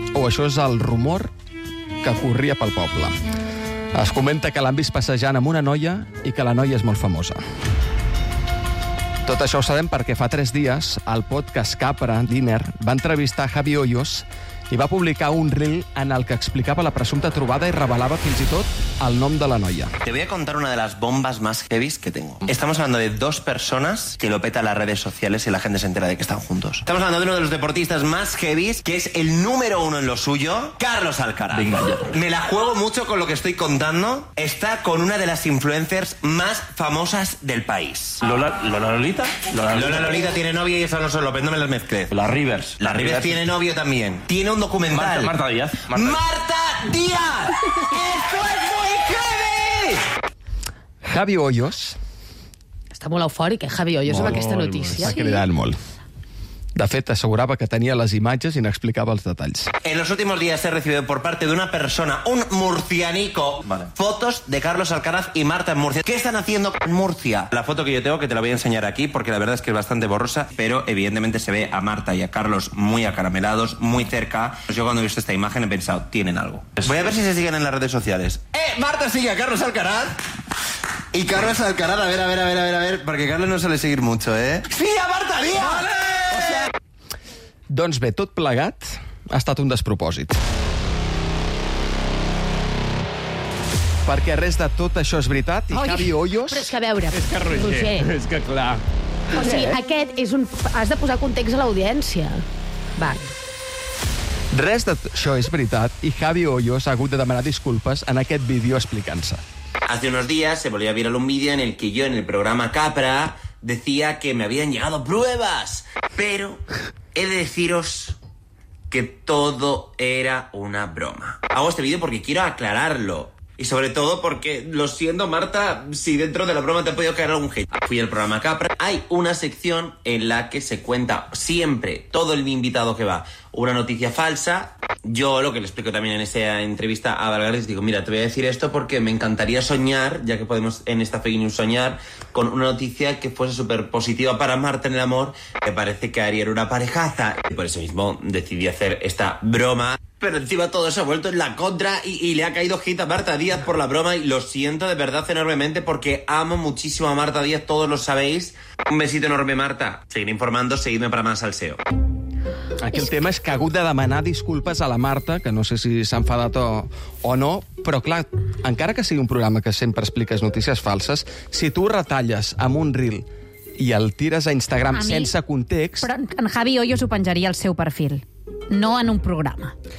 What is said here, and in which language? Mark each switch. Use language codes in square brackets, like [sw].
[ca] O això és el rumor que corria pel poble. Es comenta que l'han vist passejant amb una noia i que la noia és molt famosa. Tot això ho sabem perquè fa 3 dies el podcast Capra Dinner va entrevistar Javi Hoyos i va publicar un reel en el que explicava la presumpta trobada i revelava fins i tot el nom de la noia. [es] Te voy a contar una de las bombas más heavies que tengo. Estamos hablando de dos personas que lo peta las redes sociales y la gente se entera de que están juntos. Estamos hablando de uno de los deportistas más heavies, que es el número uno en lo suyo, Carlos Alcaraz. Venga, ya. Me la juego mucho con lo que estoy contando. Está con una de las influencers más famosas del país. ¿Lola Lolita? Lola Lolita tiene novia y eso no solo, no me las mezcle. La Rivers tiene novio también. Tiene un documental. Marta Díaz. ¡Marta Díaz! ¡Eso es! Javi Hoyos... [ca] Està molt eufòric, Javi Hoyos, amb aquesta notícia. Està cridant molt. De fet, assegurava que tenia les imatges i n'explicava els detalls. [es] En los últimos días he recibido por parte de una persona, un murcianico, fotos de Carlos Alcaraz y Marta en Murcia. ¿Qué están haciendo en Murcia? La foto que yo tengo, que te la voy a enseñar aquí, porque la verdad es que es bastante borrosa, pero evidentemente se ve a Marta y a Carlos muy acaramelados, muy cerca. Yo cuando he visto esta imagen he pensado, tienen algo. Voy a ver si se siguen en las redes sociales. Marta sigue a Carlos Alcaraz. Y Carlos Alcaraz, a ver, porque Carlos no suele seguir mucho, ¿eh? ¡Sí, a Marta, mía! ¡Vale! [ca] Doncs bé, tot plegat ha estat un despropòsit. Perquè res de tot això és veritat i Javi Hoyos... Però és que a veure... És que Roger, és que clar... O sigui, aquest és un... Has de posar context a l'audiència. Va. Res d'això és veritat i Javi Hoyos ha hagut de demanar disculpes en aquest vídeo explicant-se. [es] Hace unos días se volvió a viral un vídeo en el que yo en el programa Capra decía que me habían llegado pruebas, pero... He de deciros que todo era una broma. Hago este vídeo porque quiero aclararlo. Y sobre todo porque, lo siento, Marta, si dentro de la broma te ha podido caer algún hate. Fui al programa Capra. Hay una sección en la que se cuenta siempre, todo el invitado que va, una noticia falsa. Yo lo que le explico también en esa entrevista a Valgares, digo, mira, te voy a decir esto porque me encantaría soñar, ya que podemos en esta fake news soñar, con una noticia que fuese súper positiva para Marta en el amor, que parece que haría una parejaza. Y por eso mismo decidí hacer esta broma. Pero encima todo eso ha vuelto en la contra y le ha caído hit a Marta Díaz por la broma y lo siento de verdad enormemente porque amo muchísimo a Marta Díaz, todos lo sabéis. Un besito enorme, Marta. Seguiré informando, seguidme para más salseo. [ca] Aquí el tema és que ha hagut de demanar disculpes a la Marta, que no sé si s'ha enfadat o no, però clar, encara que sigui un programa que sempre expliques notícies falses, si tu retalles amb un reel i el tires a Instagram a sense context... Però en Javi Hoyos ho penjaria al seu perfil, no en un programa.